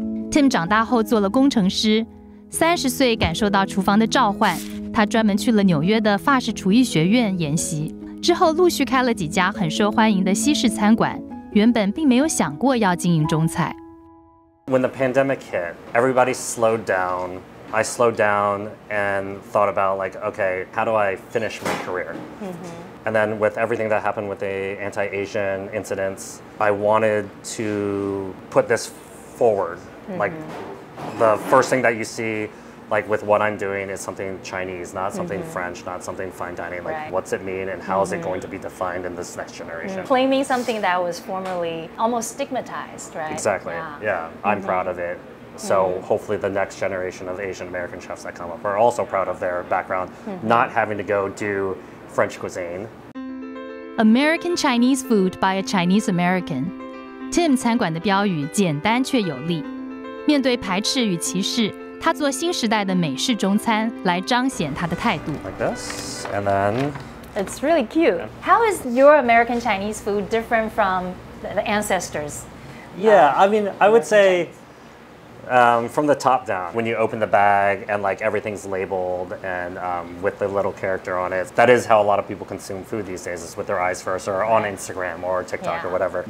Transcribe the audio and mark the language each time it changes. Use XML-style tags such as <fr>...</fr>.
<zh>Tim 长大后做了工程师，30岁感受到厨房的召唤，他专门去了纽约的法式厨艺学院研习，之后陆续开了几家很受欢迎的西式餐馆，原本并没有想过要经营中餐。</zh> <en>When the pandemic hit, everybody slowed down. I slowed down and thought about like, okay, how do I finish my career? And then with everything that happened with the anti-Asian incidents, I wanted to put this forward. Like, the first thing that you see, like, with what I'm doing is something Chinese, not something French, not something fine dining. Like, what's it mean and how is it going to be defined in this next generation? Claiming something that was formerly almost stigmatized, right? Exactly. Yeah. I'm proud of it. So hopefully the next generation of Asian American chefs that come up are also proud of their background, not having to go do French cuisine. American Chinese food by a Chinese American. Tim</en> <zh>餐馆的标语简单却有力。面对排斥与歧视，他做新时代的美式中餐来彰显他的态度。</zh> <en>Like this, and then... It's really cute. How is your American Chinese food different from the ancestors? Yeah, I mean, I would say from the top down, when you open the bag and like everything's labeled and with the little character on it, that is how a lot of people consume food these days, is with their eyes first or on Instagram or TikTok or whatever.</en>